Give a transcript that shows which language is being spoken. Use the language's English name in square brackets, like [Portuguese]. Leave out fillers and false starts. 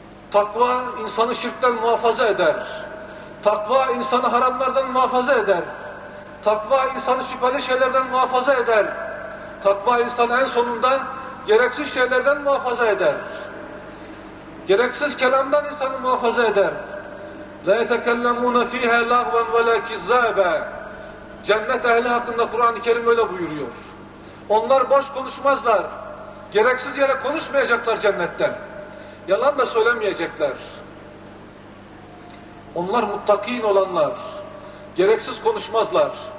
[Turkish] Takva insanı şirkten muhafaza eder. Takva insanı haramlardan muhafaza eder. Takva insanı şüpheli şeylerden muhafaza eder. Takva insanı en sonunda gereksiz şeylerden muhafaza eder. Gereksiz kelamdan insanı muhafaza eder. [Arabic] لَا يَتَكَلَّمُونَ ف۪يهَا لَغْوًا وَلَا كِذَّابًا [Turkish] Cennet ehli hakkında Kur'an-ı Kerim öyle buyuruyor. Onlar boş konuşmazlar. Gereksiz yere konuşmayacaklar cennetten. Yalan da söylemeyecekler. Onlar muttakîn olanlar. Gereksiz konuşmazlar.